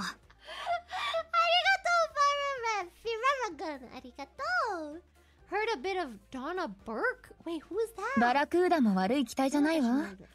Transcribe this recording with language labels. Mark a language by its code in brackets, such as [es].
[ja] ありがとう, Fireman! Fireman! ありがとう! [en] Heard a bit of Donna Burke? Wait, who is that? [ja] バラクーダも悪い機体じゃないわ。